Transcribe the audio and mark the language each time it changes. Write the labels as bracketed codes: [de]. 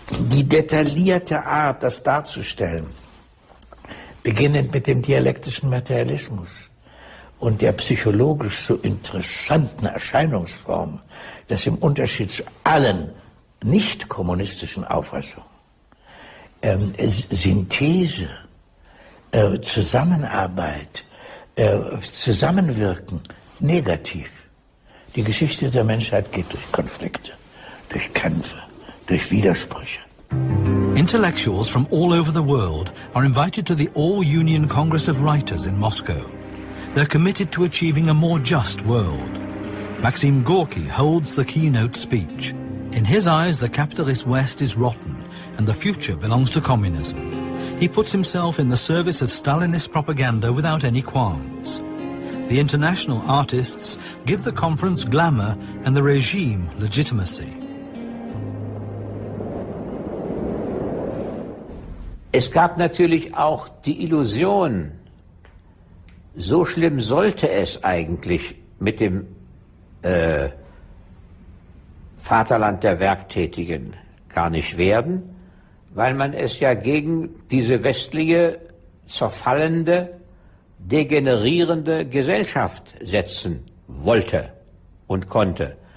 [de] Die detaillierte Art, das darzustellen, beginnend mit dem dialektischen Materialismus und der psychologisch so interessanten Erscheinungsform, dass im Unterschied zu allen nicht-kommunistischen Auffassungen Synthese, Zusammenarbeit, Zusammenwirken negativ. Die Geschichte der Menschheit geht durch Konflikte, durch Kämpfe, durch Widersprüche. [en] Intellectuals from all over the world are invited to the All-Union Congress of Writers in Moscow. They're committed to achieving a more just world. Maxim Gorky holds the keynote speech. In his eyes, the capitalist West is rotten and the future belongs to communism. He puts himself in the service of Stalinist propaganda without any qualms. The international artists give the conference glamour and the regime legitimacy. [de] Es gab natürlich auch die Illusion, so schlimm sollte es eigentlich mit dem Vaterland der Werktätigen gar nicht werden, weil man es ja gegen diese westliche, zerfallende, degenerierende Gesellschaft setzen wollte und konnte.